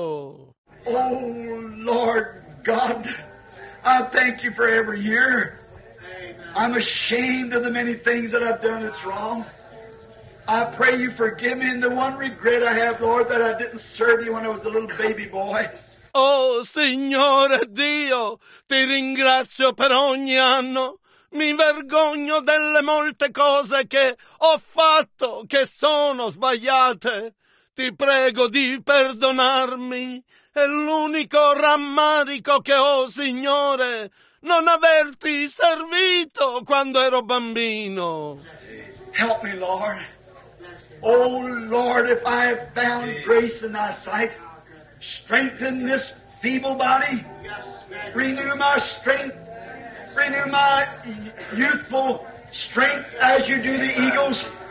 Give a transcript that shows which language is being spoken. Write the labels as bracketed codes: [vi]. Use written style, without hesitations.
[en] Oh, Lord God, I thank you for every year. Amen. I'm ashamed of the many things that I've done that's wrong. I pray you forgive me, and the one regret I have, Lord, that I didn't serve you when I was a little baby boy. [it] Oh, Signore Dio, ti ringrazio per ogni anno. Mi vergogno delle molte cose che ho fatto che sono sbagliate. Ti prego di perdonarmi. È l'unico rammarico che ho, Signore, non averti servito quando ero bambino. [en] Help me, Lord. Oh, Lord, if I have found grace in thy sight, strengthen this feeble body. Renew my strength. Renew my youthful strength as you do the eagles.